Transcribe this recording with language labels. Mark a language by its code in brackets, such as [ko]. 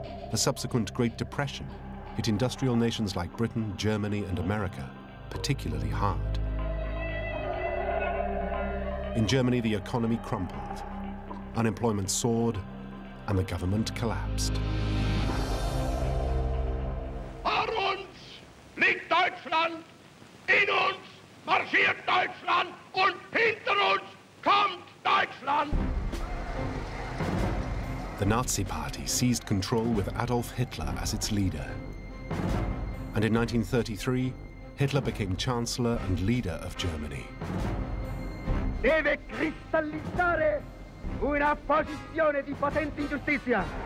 [en] The subsequent Great Depression hit industrial nations like Britain, Germany, and America particularly hard. In Germany, the economy crumpled, unemployment soared, and the government collapsed. [de] Vor uns liegt Deutschland, in uns marschiert Deutschland, und hinter uns kommt Deutschland. [en] The Nazi Party seized control with Adolf Hitler as its leader. And in 1933, Hitler became Chancellor and leader of Germany. [it] Deve cristallizzare una posizione di potente ingiustizia.